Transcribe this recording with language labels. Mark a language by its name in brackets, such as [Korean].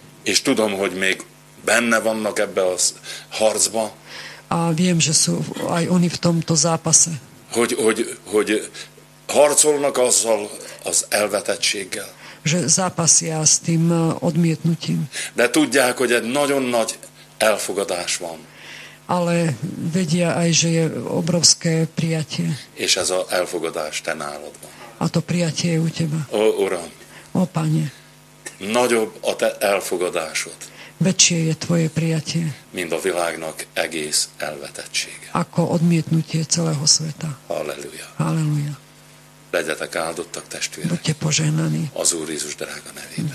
[Hungarian] És tudom, hogy még benne vannak ebbe a harcba. [Slovak] A viem, že sú aj oni v tomto zápase. [Hungarian] Hogy harcolnak azzal az elvetettséggel. [Slovak] Že zápasia s tým odmietnutím. [Hungarian] De tudják, hogy egy nagyon nagy elfogadás van. [Slovak] Ale vedia aj, že je obrovské prijatie. [Hungarian] És ez a elfogadás te nálad van. [Slovak] A to prijatie je u teba. [Hungarian] Ó, Uram. [Slovak] Ó, Pane. [Hungarian] Nagyobb a te elfogadásod. [Slovak] Väčšie je tvoje prijatie. [Hungarian] Mint a világnak egész elvetettsége. [Slovak] Ako odmietnutie celého sveta. [Hungarian] Halleluja. [Slovak] Halleluja. [Hungarian] Legyetek áldottak, testvérek. [Slovak] Buďte požehnaní. [Hungarian] Az Úr Jézus drága nevében.